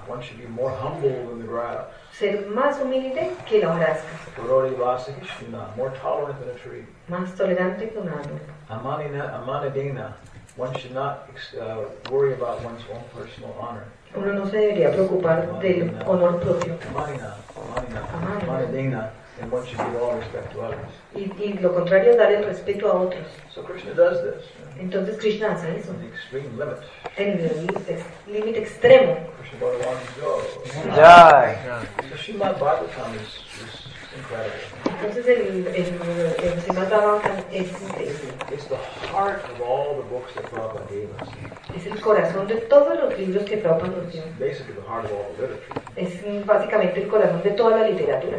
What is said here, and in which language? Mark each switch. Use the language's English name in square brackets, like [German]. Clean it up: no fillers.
[English] One should be more humble than the grass. [Spanish] Ser más humilde que la hojarasca. [Sanskrit] Purori vasa hishuna. [English] More tolerant than a tree. [Spanish] Más tolerante que un árbol. [Sanskrit] Amanadena. [English] One should not worry about one's own personal honor. [Spanish] Uno no se debería preocupar del honor propio. [Sanskrit] Amanina. [English] And one should give all respect to others. [Spanish] Y lo contrario es dar el respeto a otros. [English] So Krishna does this. [Spanish] Entonces Krishna hace eso. [English] In the extreme limit. [Spanish] En el límite extremo. [English] Krishna Bhagavan wants to go. Die. So Srimad Bhagavatam is incredible. [Spanish] Entonces el Srimad Bhagavatam es increíble. [English] It's the heart of all the books that Prabhupada gave us. [Spanish] Es el corazón de todos los libros que Prabhupada nos dio. [English] Basically the heart of all the literature. [Spanish] Es básicamente el corazón de toda la literatura.